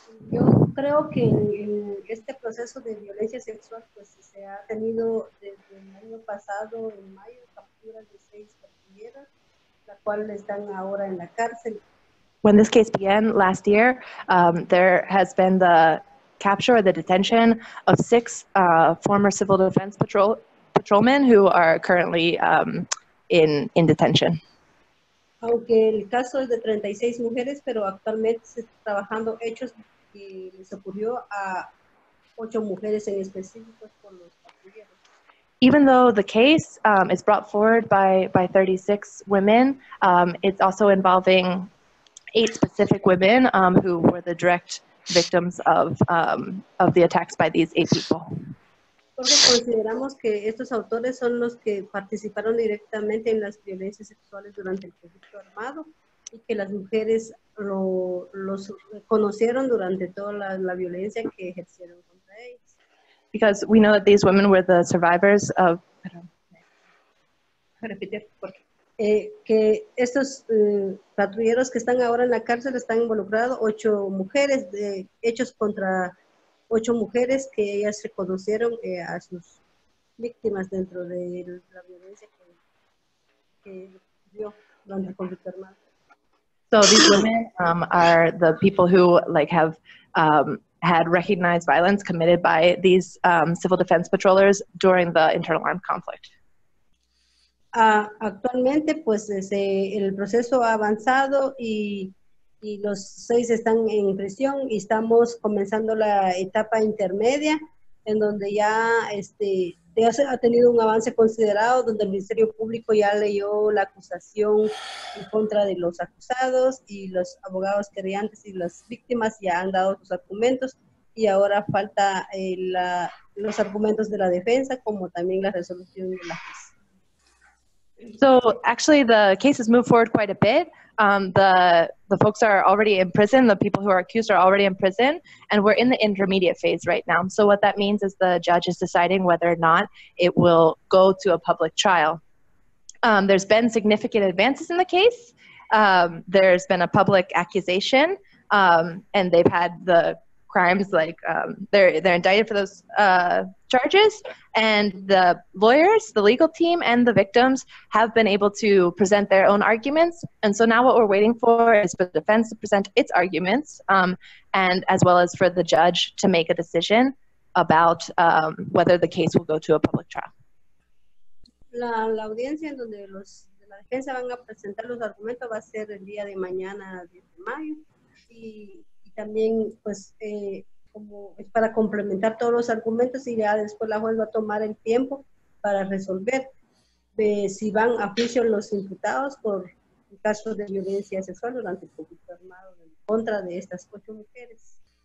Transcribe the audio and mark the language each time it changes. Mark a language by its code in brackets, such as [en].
[es] Yo creo que en este proceso de violencia sexual pues se ha tenido desde el año pasado en mayo capturas de 6 compañeras, la cual están ahora en la cárcel. [en] When this case began last year, there has been the capture or the detention of 6 former civil defense patrolmen who are currently in detention. [es] Aunque el caso es de 36 mujeres, pero actualmente se está trabajando hechos que les ocurrió a 8 mujeres en específico por los patrulleros. [en] Even though the case is brought forward by 36 women, it's also involving 8 specific women who were the direct victims of the attacks by these 8 people. [es] Porque consideramos que estos autores son los que participaron directamente en las violencias sexuales durante el conflicto armado y que las mujeres los conocieron durante toda la violencia que ejercieron contra ellos. [en] Because we know that these women were the survivors of... [es] Repetir, porque que estos patrulleros que están ahora en la cárcel están involucrados 8 mujeres de hechos contra 8 mujeres que ellas reconocieron a sus víctimas dentro de la violencia que vio durante el conflicto armado. [en] So these women are the people who like have had recognized violence committed by these civil defense patrollers during the internal armed conflict. [es] Actualmente, pues, el proceso ha avanzado y los 6 están en prisión y estamos comenzando la etapa intermedia en donde ya ha tenido un avance considerado donde el Ministerio Público ya leyó la acusación en contra de los acusados y los abogados querellantes y las víctimas ya han dado sus argumentos y ahora falta los argumentos de la defensa como también la resolución de la justicia. [en] So actually the case has moved forward quite a bit. The folks are already in prison, the people who are accused are already in prison, and we're in the intermediate phase right now. So what that means is the judge is deciding whether or not it will go to a public trial. There's been significant advances in the case. There's been a public accusation, and they've had the crimes, like they're indicted for those charges, and the lawyers, the legal team, and the victims have been able to present their own arguments. And so now what we're waiting for is for the defense to present its arguments, and as well as for the judge to make a decision about whether the case will go to a public trial. [es] La audiencia en donde la defensa van a presentar los argumentos va a ser el día de mañana, 10 de mayo, también pues como es para complementar todos los argumentos y ya después la juez va a tomar el tiempo para resolver si van a juicio los imputados por casos de violencia sexual durante el conflicto armado en contra de estas 8 mujeres.